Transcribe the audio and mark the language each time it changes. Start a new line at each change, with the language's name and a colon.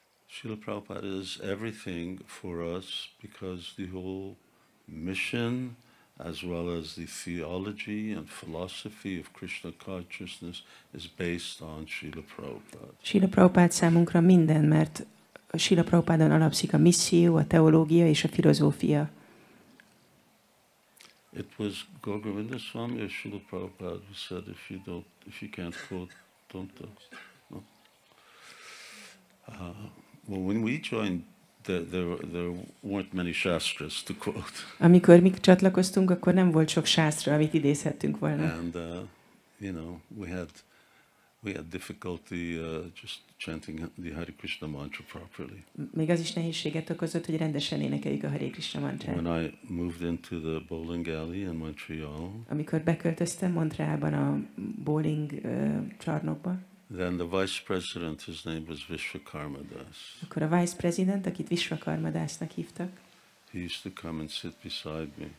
English: Śrīla Prabhupāda is everything for us because the whole mission as well as the theology and philosophy of Krishna consciousness is based on Śrīla Prabhupāda.
Hungarian: Śrīla Prabhupāda számunkra minden, mert Śrīla Prabhupādán alapszik a misszió, a teológia és a filozófia.
English: It was Gauravinda Swami or Srila Prabhupada who said, if you can't quote, don't talk. No. Well, when we joined, there weren't many shastras to quote.
Hungarian: Amikor mi csatlakoztunk, akkor nem volt sok shastra, amit idézhettünk volna.
English: And, you know, we had difficulty just chanting the Hare Krishna mantra properly.
Hungarian: Még az is nehézséget okozott, hogy rendesen énekeljük a Hare Krishna mantrát.
English: When I moved into the bowling alley in Montreal.
Hungarian: Amikor beköltöztem Montrealban a bowling csarnokba.
English: Then the vice president, his name was Vishwakarma Das.
Hungarian: Akkor a
English: vice president,
Hungarian: akit Vishwakarma Dasnak hívtak.
English: He used to come and sit beside me.